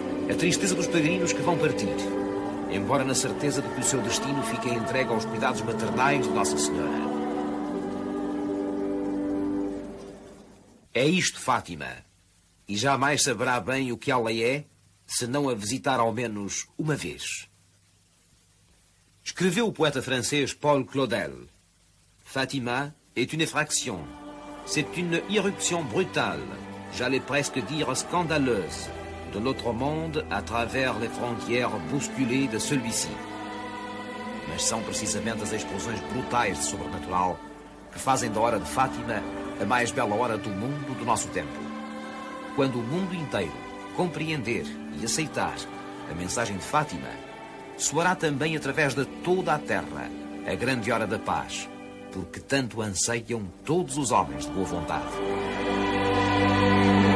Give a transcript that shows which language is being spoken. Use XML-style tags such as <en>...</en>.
<pt>A tristeza dos peregrinos que vão partir, embora na certeza de que o seu destino fique entregue aos cuidados maternais de Nossa Senhora. É isto, Fátima, e jamais saberá bem o que ela é, se não a visitar ao menos uma vez. Escreveu o poeta francês Paul Claudel:</pt> <fr>Fátima est une effraction, c'est une irruption brutale, j'allais presque dire scandaleuse, de l'autre monde à travers les frontières bousculées de celui-ci.</fr> <pt>Mas são precisamente as explosões brutais de sobrenatural que fazem da hora de Fátima a mais bela hora do mundo do nosso tempo. Quando o mundo inteiro compreender e aceitar a mensagem de Fátima, soará também através de toda a terra a grande hora da paz, porque tanto anseiam todos os homens de boa vontade.</pt>